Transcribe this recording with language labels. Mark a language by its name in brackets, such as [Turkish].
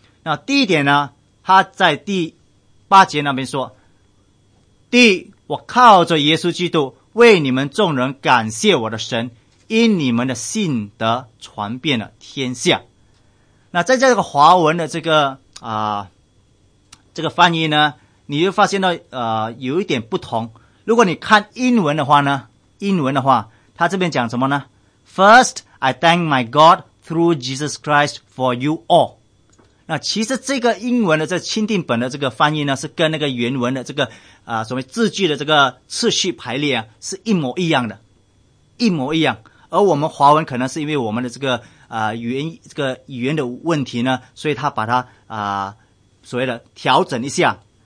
[Chinese] 那第一点呢，他在第八节那边说，第一，我靠着耶稣基督为你们众人感谢我的神，因你们的信德传遍了天下。那在这个华文的这个翻译呢，你就发现到有一点不同。如果你看英文的话，他这边讲什么呢？ [English] First, I thank my God through Jesus Christ for you all. [Chinese] 那其实这个英文的这钦定本的这个翻译呢，是跟那个原文的这个所谓字句的这个次序排列啊，是一模一样的。一模一样。而我们华文可能是因为我们的语言的问题呢，所以他把它所谓的调整一下。